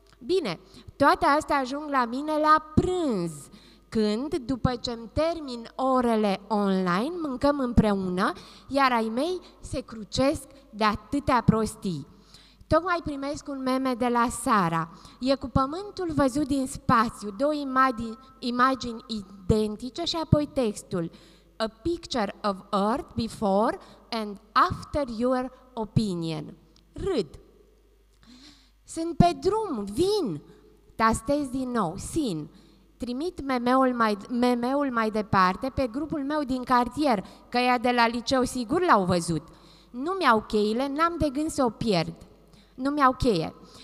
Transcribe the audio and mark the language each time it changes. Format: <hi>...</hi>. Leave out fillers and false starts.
<ro>Bine, toate astea ajung la mine la prânz, când, după ce îmi termin orele online, mâncăm împreună, iar ai mei se crucesc de atâtea prostii. Tocmai primesc un meme de la Sara. E cu pământul văzut din spațiu, două imagini identice și apoi textul.</ro> <en>A picture of Earth before and after your opinion.</en> <ro>Râd. Sunt pe drum, vin, tastez din nou, sin. Trimit meme-ul mai departe pe grupul meu din cartier, că ea de la liceu sigur l-au văzut. Nu-mi iau cheile, n-am de gând să o pierd. Nu-mi iau cheie.</ro>